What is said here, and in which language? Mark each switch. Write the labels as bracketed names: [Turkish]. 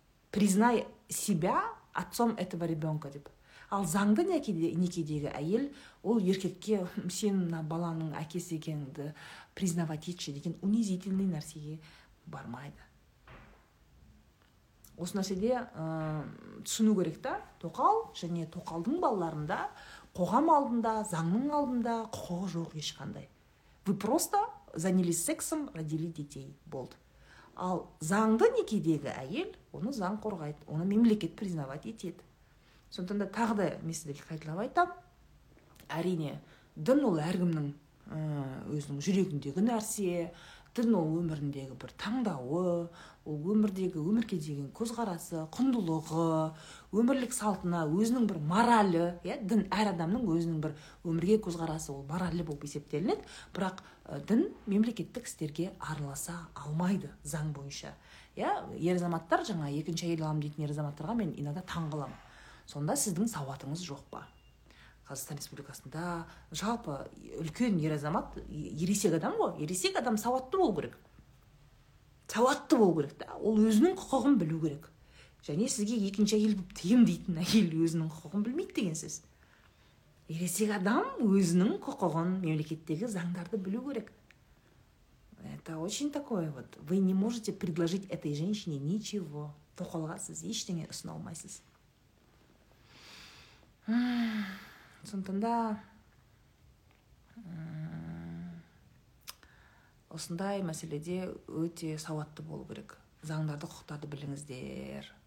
[Russian] Признай себя отцом этого ребенка деп. [Kazakh] Ал заңды некедегі әйел ол еркекке сен баланың әкесі екеніңді признавать етші деген унизительный нәрсеге бармайды. Осы нәрседе түсіну керек та, тоқал және тоқалдың балаларында қоғам алдында, заңның алдында құқығы жоқ ешқандай. [Russian] Вы просто занялись сексом, родили детей, болды. [Kazakh] Ал заңды некедегі әйел, оны заң қорғайды, оны мемлекет признавать етеді. Сондықтан да тағы да мен сіздерге қайталап айтам, әрине дін ол әркімнің өзінің жүрегіндегі нәрсе. Дін ол өміріндегі бір таңдауы, ол өмірдегі, өмірге деген көзқарасы, құндылығы, өмірлік салтына, өзінің бір моралі. Дін әр адамның өзінің бір өмірге көзқарасы, ол моралі болып есептелінеді. Бірақ дін мемлекеттік істерге араласа алмайды заң бойынша. Ер азаматтар, жаңа екінші әйел алам дейтін ер азаматтарға мен инада таңғаламын. Сонда сіздің сауатыңыз жоқ па? Қазақстан Республикасында жалпы үлкен ер азамат ересек адам ғой. Ересек адам сауатты болу керек. Сауатты болу керек та, ол өзінің құқығын білу керек. Және сізге екінші әйел болып тием дейтін әйел өзінің құқығын білмейді деген сіз. Ересек адам өзінің құқығын, мемлекеттегі заңдарды білу керек. [Russian] Это очень такое вот. Вы не можете предложить этой женщине ничего. [Kazakh] Тоқалға сіз ештеңе ұсына алмайсыз. Сондықтан да осындай мәселеде өте сауатты болу керек. Заңдарды, құқықтарды біліңіздер.